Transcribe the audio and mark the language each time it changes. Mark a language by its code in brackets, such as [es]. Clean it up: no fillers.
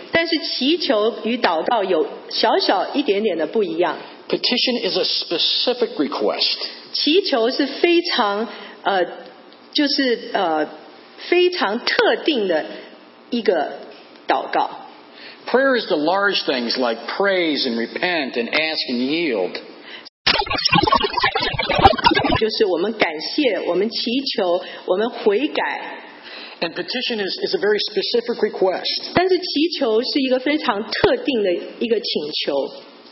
[zh] 但是祈求与祷告有小小一点点的不一样。 [en] Petition is a specific request. [zh] 祈求是非常特定的一个祷告。 [en] Prayer is the large things like praise and repent and ask and yield. [zh] 就是我们感谢，我们祈求，我们悔改。 [en] And petition is a very specific request. [zh] 但是祈求是一个非常特定的一个请求。